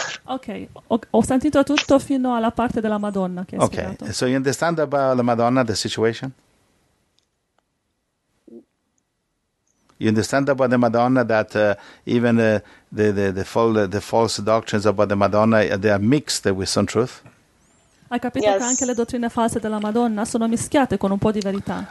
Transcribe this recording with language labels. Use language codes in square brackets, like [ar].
[it] Okay, ho sentito tutto fino alla parte della Madonna che hai okay. spiegato. [en] Okay, so you understand about the Madonna, the situation? You understand about the Madonna that even the false doctrines about the Madonna, they are mixed with some truth? [it] Hai capito [en] yes. [it] che anche le dottrine false della Madonna sono mischiate con un po' di verità.